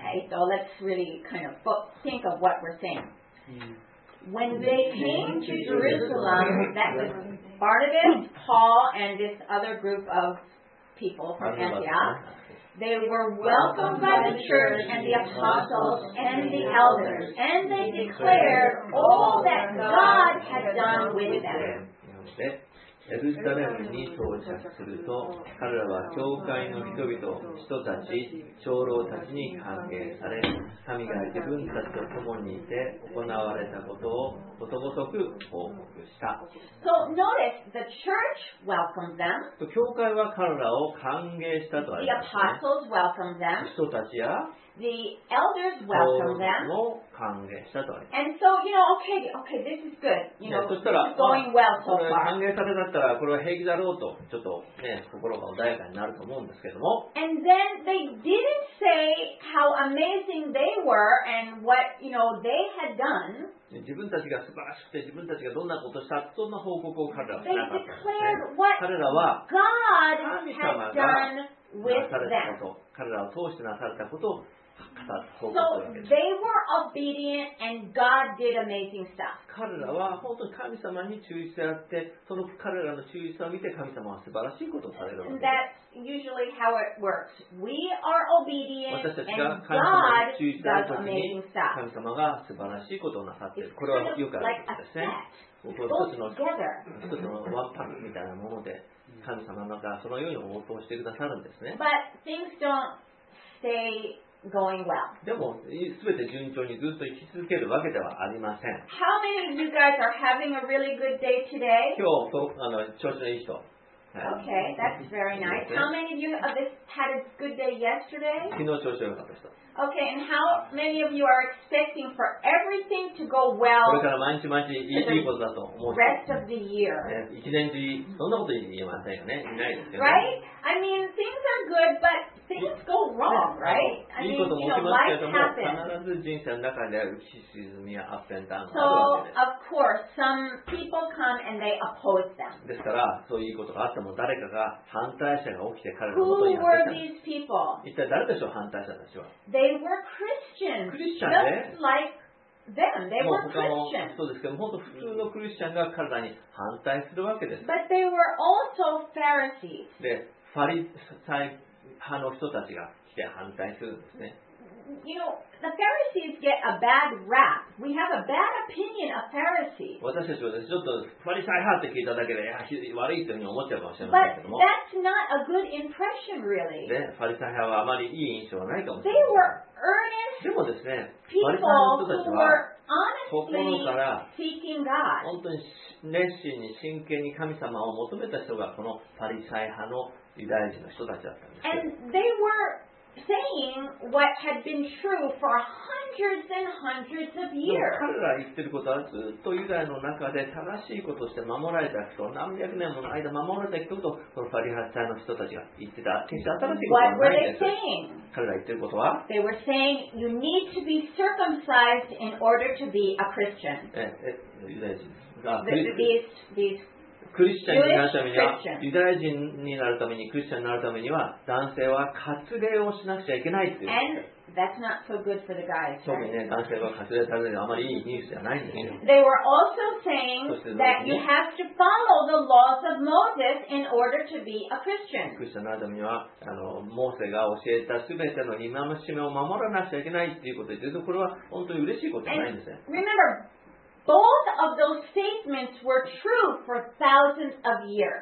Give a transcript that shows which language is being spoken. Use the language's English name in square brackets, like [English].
[English] So let's really kind of think of what we're saying. When they came to Jerusalem, that was Barnabas, Paul, and this other group of... people from Antioch. They were welcomed by the church and the apostles and the elders, and they declared all that God had done with them. [Japanese] エルサレムに到着すると、彼らは教会の人々、人たち、長老たちに歓迎され、神が自分たちと共にいて行われたことをことごとく報告した。 [English] So, notice, the church welcomed them. [Japanese] 教会は彼らを歓迎したとありますね。 [English] The apostles welcomed them. [Japanese] 人たちや、 [English] The elders welcomed them. [Japanese] も歓迎したとあります。 [English] And so, you know, okay, this is good. You know, this is going well so far. [Japanese] 歓迎されたったらこれは平気だろうと、ちょっとね、心が穏やかになると思うんですけども。 [English] And then they didn't say how amazing they were and what, you know, they had done. [Japanese] 自分たちが素晴らしくて自分たちがどんなことしたそんな報告を彼らはしなかったんですね。彼らは神様がなされたこと、彼らを通してなされたことを [English] So they were obedient and God did amazing stuff. [Japanese] 彼らは本当に神様に忠実であって、その彼らの忠実さを見て神様は素晴らしいことをされるわけです。 [English] That's usually how it works. We are obedient and God does amazing stuff. [Japanese] 神様が素晴らしいことをなさっている。これはよくあることですね。一つのワンパックみたいなもので、神様がそのように応答してくださるんですね。 [English] But things don't stay going well. [Japanese] でも、すべて順調にずっと生き続けるわけではありません。 [English] How many of you guys are having a really good day today? [Japanese] 今日、調子のいい人。 [English] Okay, that's very nice. How many of you have had a good day yesterday? [Japanese] 昨日調子良かった人。 [English] Okay, and how many of you are expecting for everything to go well [Japanese] これから毎日毎日いいことだと思う。 [English] Rest of the year. [Japanese] 一年中、そんなこと言えませんよね。いないですよね。 [English] Right? I mean, things are good, but things go wrong, right? [Japanese] いいことも起きますけども、必ず人生の中で浮き沈みやアップアンドダウンがあるわけです。 [English] So, of course, some people come and they oppose them. [Japanese] ですから、そういうことがあっても誰かが反対者が起きて彼らのことにやってきた。一体誰でしょう、反対者たちは。 [English] They were Christians, just like them. They were Christians. [Japanese] そうですけど、本当普通のクリスチャンが彼らに反対するわけです。 [English] But they were also Pharisees. [Japanese] で、ファリサイ派の人たちが来て反対するんですね。 [English] You know, the Pharisees get a bad rap. We have a bad opinion of Pharisees. [Japanese] 私たちはですね、ちょっとファリサイ派って聞いただけで、悪いというふうに思っちゃうかもしれませんけども。 [English] But that's not a good impression, really. [Japanese] で、ファリサイ派はあまりいい印象はないかもしれない。 [English] They were earnest [Japanese] でもですね、ファリサイ派の人たちは、心から本当に熱心に真剣に神様を求めた人がこのファリサイ派のユダヤ人の人たちだったんです。 [English] And they were saying what had been true for hundreds and hundreds of years. [Japanese] 彼らが言ってることはずっとユダヤの中で正しいこととして守られた人、何百年もの間守られた人とこのファリサイ派の人たちが言ってた。決して新しいことはないです。 [English] What were they saying? [Japanese] 彼ら言ってることは [English] They were saying you need to be circumcised in order to be a Christian. [Japanese] ユダヤ人です。クリスチャンになるためには、ユダヤ人になるために、クリスチャンになるためには、男性は割礼をしなくちゃいけないっていう。 [English] And that's not so good for the guys. [Japanese] 特にね、男性は割礼されるのはあまりいいニュースじゃないんですよ。 [English] They were also saying that you have to follow the laws of Moses in order to be a Christian. [Japanese] クリスチャンになるためには、モーセが教えたすべての戒めを守らなくちゃいけないっていうことで、これは本当に嬉しいことじゃないんですね。 [English] Remember. Both of those statements were true for thousands of years.